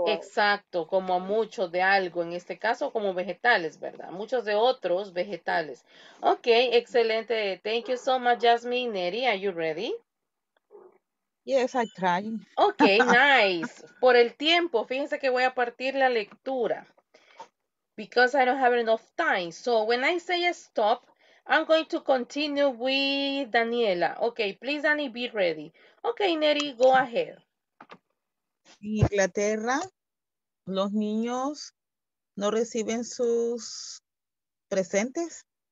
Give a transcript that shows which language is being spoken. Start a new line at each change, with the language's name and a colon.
Spanish: Exacto, como a muchos de algo, en este caso como vegetales, ¿verdad? Muchos de otros vegetales. Ok, excelente.
English: Thank you so much, Jasmine. Neri, are you ready? Yes, I try. Ok, nice.
Spanish: Por el tiempo, fíjense que voy a partir la lectura.
English: Because I don't have enough time. So when I say stop, I'm going to continue with Daniela. Okay, please, Dani, be ready. Okay, Neri, go ahead.
Spanish: En Inglaterra, los niños no reciben sus presentes.